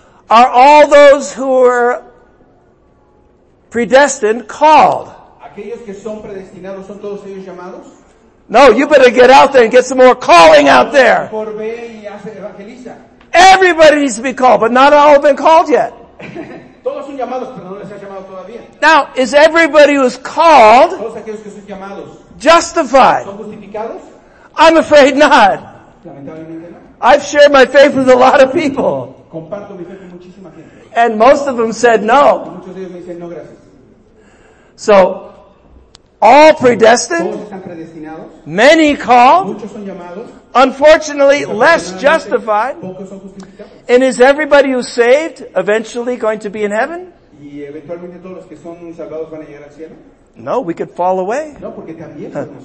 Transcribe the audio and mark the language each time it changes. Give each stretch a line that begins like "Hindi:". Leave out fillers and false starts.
English: Are all those who are predestined called?
Spanish: Aquellos que son predestinados, ¿son todos ellos llamados?
English: No, you better get out there and get some more calling out there.
Spanish: Por ve y hace evangeliza.
English: Everybody needs to be called, but not all have been called yet.
Spanish: Todos son llamados, pero no les ha llamado todavía.
English: Now, is everybody who is called
Spanish: todos aquellos que son llamados
English: justified?
Spanish: ¿Son justificados?
English: I'm afraid not.
Spanish: Lamentablemente no.
English: I've shared my faith with a lot of people.
Spanish: Comparto mi fe con muchísima gente.
English: And most of them said no.
Spanish: Muchos de ellos me dicen no, gracias.
English: So, all predestined,
Spanish: todos están predestinados,
English: many called,
Spanish: muchos son llamados,
English: unfortunately, less justified.
Spanish: Pocos son justificados.
English: And is everybody who's saved eventually going to be in heaven?
Spanish: Y eventualmente todos los que son salvados van a llegar al cielo?
English: No, we could fall away.
Spanish: No, porque también somos